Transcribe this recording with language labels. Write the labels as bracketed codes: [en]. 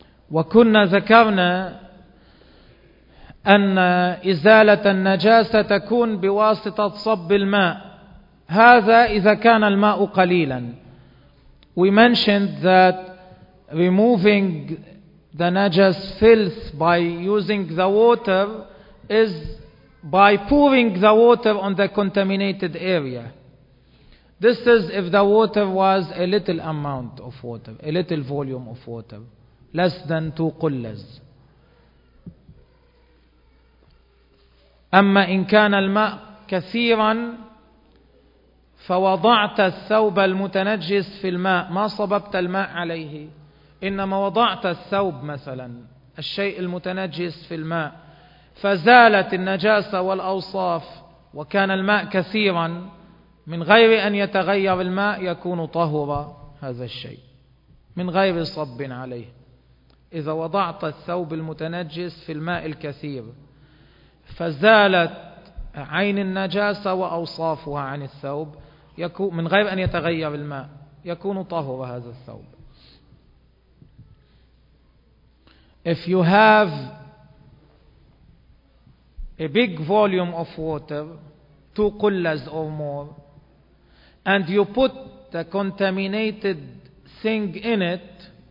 [ar] وكنا ذكرنا أن إزالة النجاسة تكون بواسطة صب الماء. هذا إذا كان الماء قليلا. [en] We mentioned that removing the najas filth by using the water is by pouring the water on the contaminated area. This is if the water was a little amount of water, a little volume of water, less than 2 qullas. [ar] أما إن كان الماء كثيرا فوضعت الثوب المتنجس في الماء ما صببت الماء عليه إنما وضعت الثوب مثلا الشيء المتنجس في الماء فزالت النجاسة والأوصاف وكان الماء كثيرا من غير أن يتغير الماء يكون طهورا هذا الشيء من غير صب عليه إذا وضعت الثوب المتنجس في الماء الكثير فزالت عين النجاسة وأوصافها عن الثوب يكون من غير أن يتغير الماء يكون طهور هذا الثوب. [en] If you have a big volume of water, 2 qullas or more, and you put the contaminated thing in it,